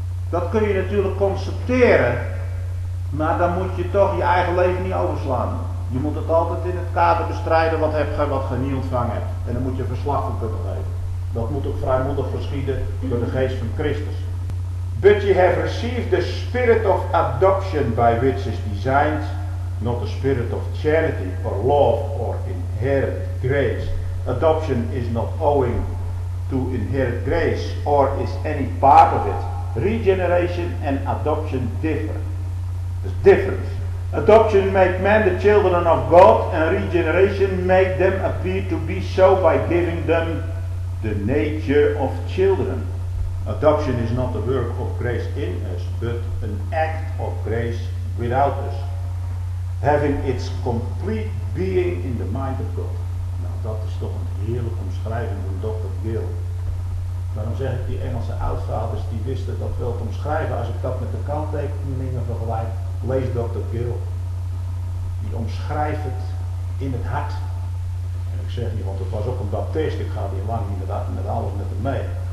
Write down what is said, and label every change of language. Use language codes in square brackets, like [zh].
[nl] Dat kun je natuurlijk constateren. Maar dan moet je toch je eigen leven niet overslaan. Je moet het altijd in het kader bestrijden wat heb je wat je niet ontvangen hebt. En dan moet je verslag van kunnen geven. Dat moet ook vrijmoedig geschieden door de geest van Christus. [en] But you have received the spirit of adoption by which is designed, not the spirit of charity or love or inherent grace. Adoption is not owing to inherent grace or is any part of it. Regeneration and adoption differ. There's difference. Adoption make men the children of God, and regeneration make them appear to be so by giving them the nature of children. Adoption is not the work of grace in us, but an act of grace without us, having its complete being in the mind of God. [nl] Nou, dat is toch een heerlijke omschrijving van Dr. Gill. Waarom zeg ik die Engelse oudvaders, die wisten dat wel te omschrijven, als ik dat met de kanttekeningen vergelijk. Lees Dr. Gill, die omschrijft het in het hart. En ik zeg niet, want het was ook een baptist, ik ga hier lang niet met alles met hem mee.